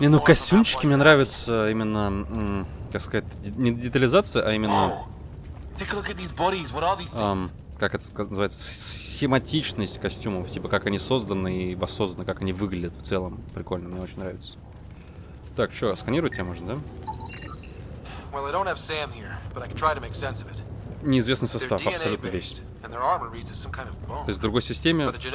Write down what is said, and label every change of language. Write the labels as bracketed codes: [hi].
[ru] Не, ну костюмчики мне нравятся именно, как сказать, не детализация, а именно. [en] Take a look at these bodies. What are these things? [ru] Как это называется? Схематичность костюмов, типа как они созданы и воссозданы, как они выглядят в целом. Прикольно, мне очень нравится. Так, что, сканируйте, тебя можно, да? [en] Well, I don't have Sam here, but I can try to make sense of it. [ru] Неизвестный состав, абсолютно весь. То есть в другой системе.